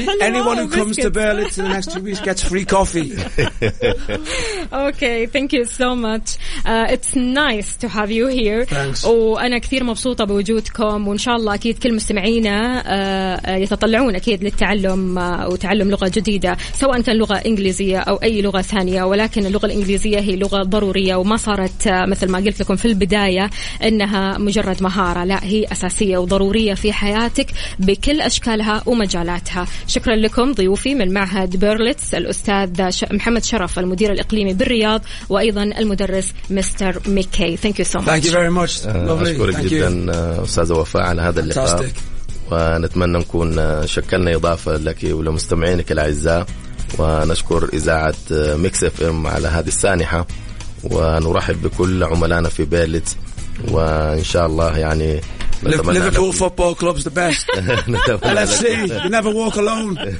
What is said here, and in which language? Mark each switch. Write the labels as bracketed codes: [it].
[en] Anyone who comes to Berlitz in the next 2 weeks gets free coffee. Okay, thank you so much. It's nice to have you here. Thanks. [ar] وأنا كثير مبسوطة بوجودكم وإن شاء الله أكيد كل مستمعينا يتطلعون أكيد للتعلم وتعلم لغة جديدة سواء كان لغة إنجليزية أو أي لغة ثانية ولكن اللغة الإنجليزية هي لغة ضرورية وما صارت مثل ما قلت لكم في البداية إنها مجرد مهارة لا هي أساسية وضرورية في حياتك بكل أشكالها ومجالاتها. شكرا لكم ضيوفي من معهد بيرلتس الأستاذ محمد شرف المدير الإقليمي بالرياض وأيضا المدرس مستر ميكي. [en] Thank you so much. Thank you very much. [ar] أشكرك جدا أستاذ وفاء على هذا اللقاء. [en] Fantastic. [ar] ونتمنى نكون شكلنا إضافة لك ولمستمعينك الأعزاء ونشكر إذاعة ميكس إف إم على هذه السانحة. ونرحب بكل عملانا في بيرلتس وإن شاء الله يعني [en] Liverpool Football Club's the best. LFC, you never walk alone.